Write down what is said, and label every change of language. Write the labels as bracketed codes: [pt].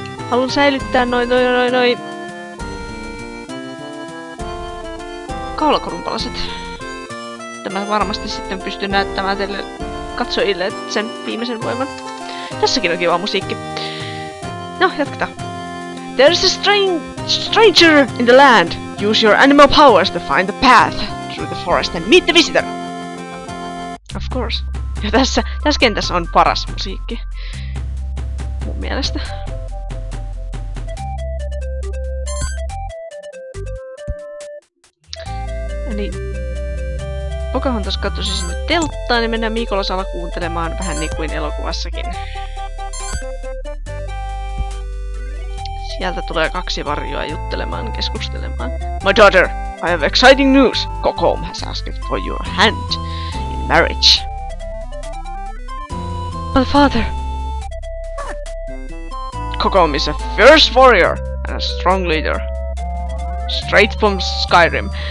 [fi] Haluan säilyttää noi... Kaulakorunpalaset. Tämä varmasti sitten pystyn näyttämään teille katsojille sen viimeisen voiman. Tässäkin on kiva musiikki. No, jatketaan. [en] There's a stranger in the land. Use your animal powers to find the path through the forest and meet the visitor. Of course. [fi] Ja tässä kentässä on paras musiikki. Mun mielestä. Eli... Pocahontas katsoi sinne telttaan, niin mennään Miikolasalla kuuntelemaan vähän niin kuin elokuvassakin. Sieltä tulee kaksi varjoa juttelemaan, keskustelemaan. [en] My daughter, I have exciting news! Kokoom has asked for your hand in marriage. But father... Kokoom is a fierce warrior and a strong leader. Straight from Skyrim.